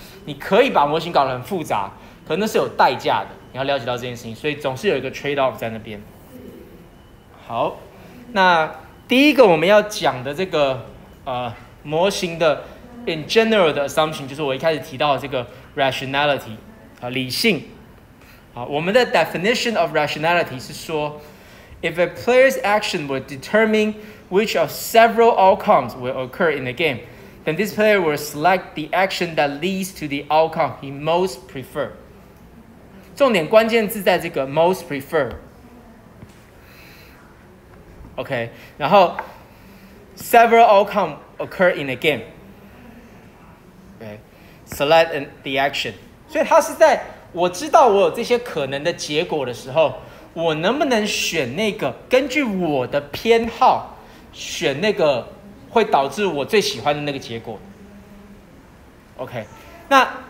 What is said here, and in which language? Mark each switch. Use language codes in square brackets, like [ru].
[zh] 你可以把模型搞得很复杂，可能是有代价的，你要了解到这件事情，所以总是有一个 trade off 在那边。好，那第一个我们要讲的这个模型的 [en] in general [zh] 的 assumption， 就是我一开始提到的这个 rationality， 理性。好，我们的 [en] definition of rationality [zh] 是说 [en] if a player's action will determine which of several outcomes will occur in the game，then this player will select the action that leads to the outcome he most prefer。 [zh] 重点关键字在这个 [en] most prefer。 OK， 然后 several outcome occur in a game。 [zh] Okay， [en] select the action， [zh] 所以他是在我知道我有这些可能的结果的时候，我能不能选那个根据我的偏好选那个会导致我最喜欢的那个结果。 OK， 那